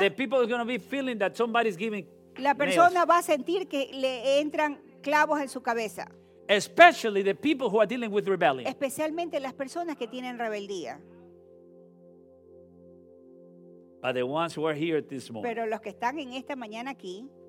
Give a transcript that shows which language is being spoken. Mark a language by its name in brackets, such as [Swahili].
[English] The people are going to be feeling that somebody's giving nails. [Spanish] La persona va a sentir que le entran clavos en su cabeza. [English] Especially the people who are dealing with rebellion. [Spanish] Especialmente las personas que tienen rebeldía. [English] But the ones who are here this morning. [Spanish] Pero los que están en esta mañana aquí.